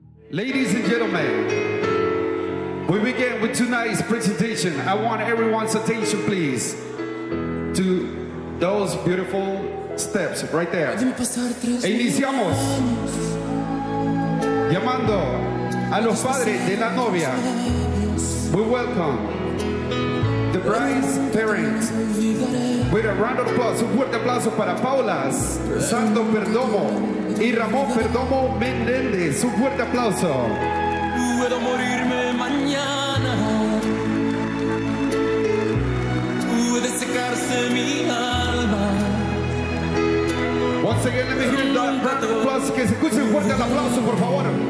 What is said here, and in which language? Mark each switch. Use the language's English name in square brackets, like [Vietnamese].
[English] Ladies and gentlemen, we begin with tonight's presentation. I want everyone's attention, please, to those beautiful steps right there. [Spanish] E iniciamos llamando a los padres de la novia. [English] We welcome the bride's parents with a round of applause. [Spanish] Un fuerte aplauso para Paula's Santo Perdomo y Ramón Perdomo Menéndez. Un fuerte aplauso. Puedo morirme mañana. Puede secarse mi alma. [English] Once again, let me hear that round of applause. [Spanish] Que se escuche un fuerte el aplauso, por favor.